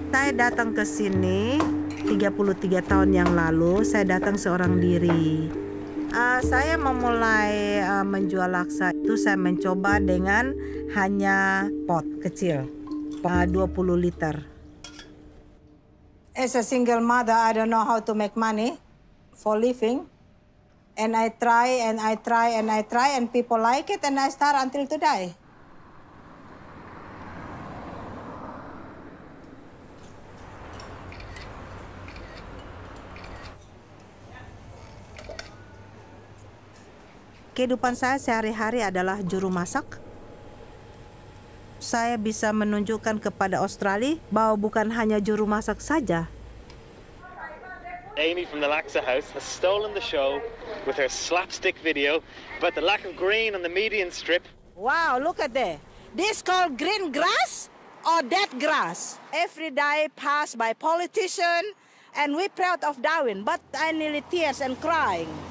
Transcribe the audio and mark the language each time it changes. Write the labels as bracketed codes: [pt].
[id] Datang ke sini 33 tahun yang lalu, saya datang seorang diri. Saya memulai menjual laksa itu, saya mencoba dengan hanya pot kecil, 20 liter. [en] As a single mother, I don't know how to make money for living. And I try, and I try, and I try, and people like it, and I start until today. [id] Kehidupan saya sehari-hari adalah juru masak. Saya bisa menunjukkan kepada Australia bahwa bukan hanya juru masak saja. [en] Amy from the Laksa House has stolen the show with her slapstick video about the lack of green on the median strip. Wow, look at that. This called green grass or dead grass? Every day passed by politician and we proud of Darwin, but I nearly tears and crying.